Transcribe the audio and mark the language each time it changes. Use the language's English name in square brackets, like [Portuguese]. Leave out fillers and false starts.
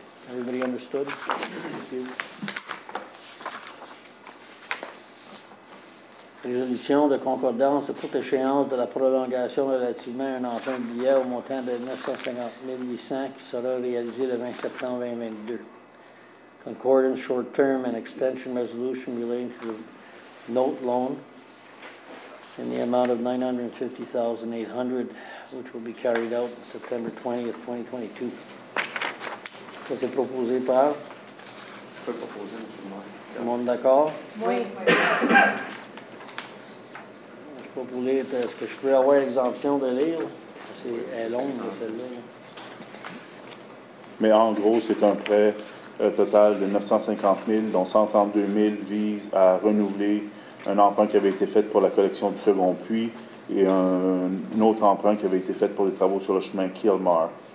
[English] Everybody understood? Thank you. [French] Résolution de concordance de courte échéance de la prolongation relativement à un emprunt de billets au montant de 950 800 qui sera réalisé le 20 septembre 2022. [English] Concordance short term and extension resolution relating to the note loan in the amount of $950,800, which will be carried out September 20th, 2022. [French] Ça, c'est proposé par? Je peux proposer, M. Le Maire. Le monde d'accord? Oui. Je peux proposer, est-ce que je peux avoir une exemption de lire? C'est, elle est longue, celle-là. Mais en gros, c'est un prêt total de 950 000, dont 132 000 vise à renouveler un emprunt qui avait été fait pour la collection du second puits et un autre emprunt qui avait été fait pour les travaux sur le chemin Kilmar.